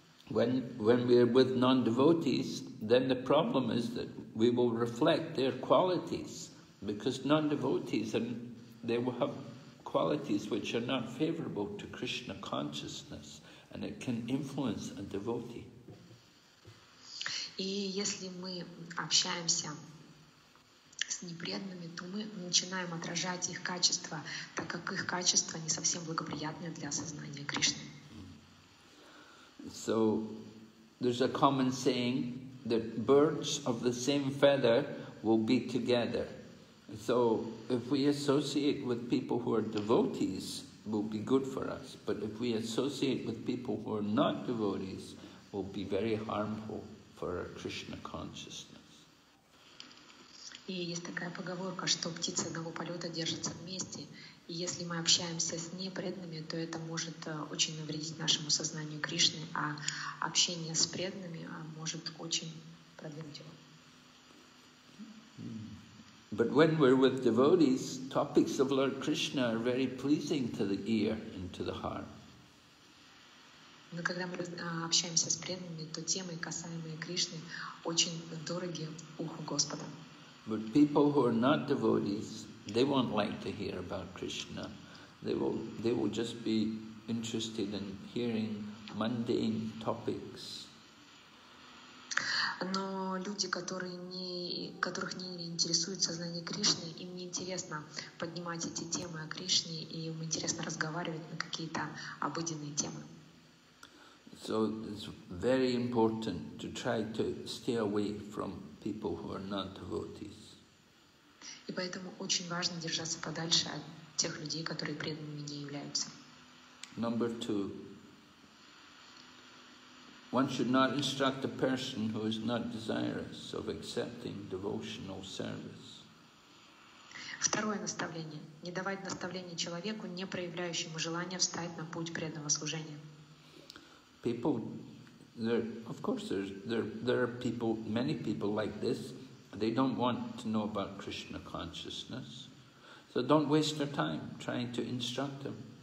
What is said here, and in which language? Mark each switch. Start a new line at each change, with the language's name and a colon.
English: When we are with non-devotees, then the problem is that we will reflect their qualities, because non-devotees, and they will have qualities which are not favorable to Krishna consciousness, and it can influence a devotee.
Russian: И если мы общаемся с непреданными, то мы начинаем отражать их качества, так как их качества не совсем благоприятны для сознания Кришны.
English: So there's a common saying that birds of the same feather will be together. So if we associate with people who are devotees, it will be good for us. But if we associate with people who are not devotees, it will be very harmful for our Krishna consciousness.
Russian: И есть такая поговорка, что птицы одного полета держатся вместе. И если мы общаемся с непреданными, то это может очень навредить нашему сознанию Кришны, а общение с преданными может очень продвинуть его.
English: But when we're with devotees, topics of Lord Krishna are very pleasing to the ear and to the heart.
Russian: Но когда мы общаемся с преданными, то темы, касаемые Кришны, очень дороги уху Господа.
English: But people who are not devotees, they won't like to hear about Krishna. They will just be interested in hearing mundane topics.
Russian: Но люди, которых не интересует сознание Кришны, им не интересно поднимать эти темы о Кришне, и им интересно разговаривать на какие-то обыденные темы.
English: So it's very important to try to stay away from people who are not devotees.
Russian: И поэтому очень важно держаться подальше от тех людей, которые преданными не являются.
English: Number two. One should not instruct a person who is not desirous of accepting devotional service.
Russian: Второе наставление. Не давать наставления человеку, не проявляющему желания встать на путь преданного служения.
English: People, of course, there are people, many people like this. They don't want to know about Krishna consciousness. So don't waste their time trying to instruct them.